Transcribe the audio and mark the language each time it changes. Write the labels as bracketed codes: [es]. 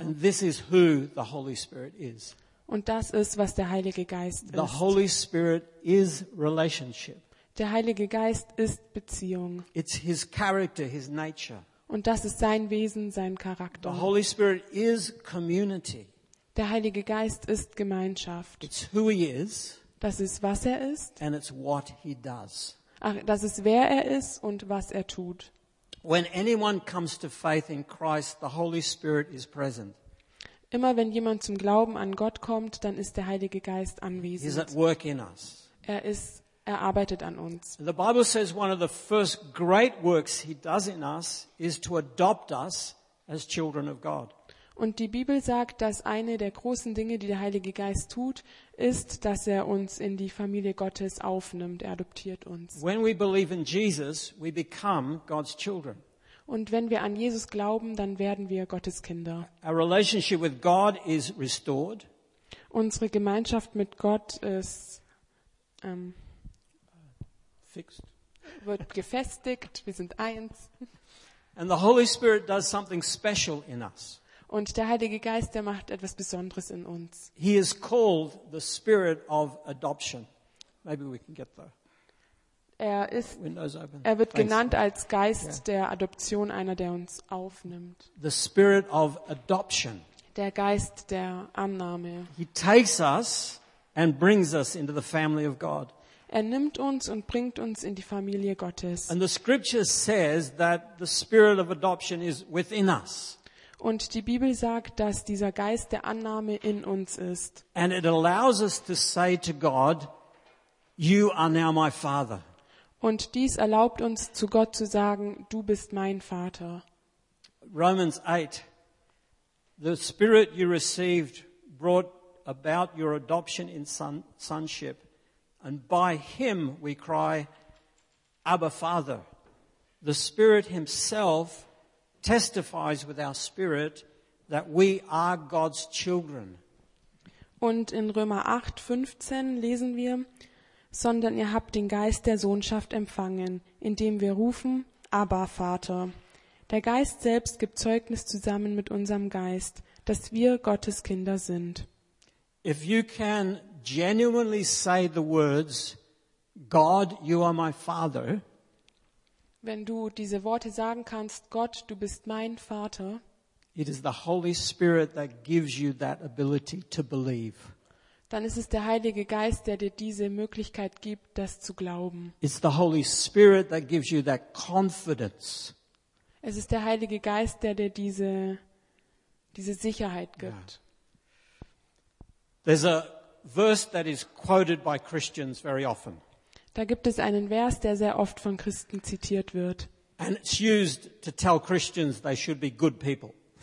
[en] And this is who the Holy Spirit is. [de] Und das ist, was der Heilige Geist ist. [en] The Holy Spirit is relationship. [de] Der Heilige Geist ist Beziehung. [en] It's his character, his nature. [de] Und das ist sein Wesen, sein Charakter. [en] The Holy Spirit is community. [de] Der Heilige Geist ist Gemeinschaft. [en] It's who he is. [de] Das ist, was er ist. [en] And it's what he does. [de] Ach, das ist, wer er ist und was er tut. [en] When anyone comes to faith in Christ, the Holy Spirit is present. [de] Immer wenn jemand zum Glauben an Gott kommt, dann ist der Heilige Geist anwesend. [en] He's at work in us. [de] Er arbeitet an uns. [en] The Bible says one of the first great works he does in us is to adopt us as children of God. [de] Und die Bibel sagt, dass eine der großen Dinge, die der Heilige Geist tut, ist, dass er uns in die Familie Gottes aufnimmt, er adoptiert uns. [en] When we believe in Jesus, we become God's children. [de] Und wenn wir an Jesus glauben, dann werden wir Gottes Kinder. [en] Our relationship with God is restored. [de] Unsere Gemeinschaft mit Gott ist [en] fixed. [de] Wird gefestigt, wir sind eins. [en] And the Holy Spirit does something special in us. [de] Und der Heilige Geist, der macht etwas Besonderes in uns. [en] He is called the Spirit of Adoption. Maybe we can get the windows open. [de] Er wird genannt als Geist der Adoption, einer, der uns aufnimmt. [en] The Spirit of Adoption. [de] Der Geist der Annahme. [en] He takes us and brings us into the family of God. [de] Er nimmt uns und bringt uns in die Familie Gottes. [en] And the Scripture says that the Spirit of Adoption is within us. [de] Und die Bibel sagt, dass dieser Geist der Annahme in uns ist. [en] And it allows us to say to God, you are now my father. [de] Und dies erlaubt uns, zu Gott zu sagen, du bist mein Vater. [en] Romans 8. The spirit you received brought about your adoption in sonship, and by him we cry, Abba, Father. The spirit himself testifies with our spirit that we are God's children. [de] Und in Römer 8, 15 lesen wir, sondern ihr habt den Geist der Sohnschaft empfangen, indem wir rufen, Abba, Vater. Der Geist selbst gibt Zeugnis zusammen mit unserem Geist, dass wir Gottes Kinder sind. [en] If you can genuinely say the words, God, you are my father, [de] wenn du diese Worte sagen kannst, Gott, du bist mein Vater, [en] it is the Holy Spirit that gives you that ability to believe. [de] Dann ist es der Heilige Geist, der dir diese Möglichkeit gibt, das zu glauben. [en] It's the Holy Spirit that gives you that confidence. [de] Es ist der Heilige Geist, der dir diese Sicherheit gibt. [en] Yeah. There's a verse that is quoted by Christians very often. [de] Da gibt es einen Vers, der sehr oft von Christen zitiert wird. [en] And it's used to tell Christians they should be good people.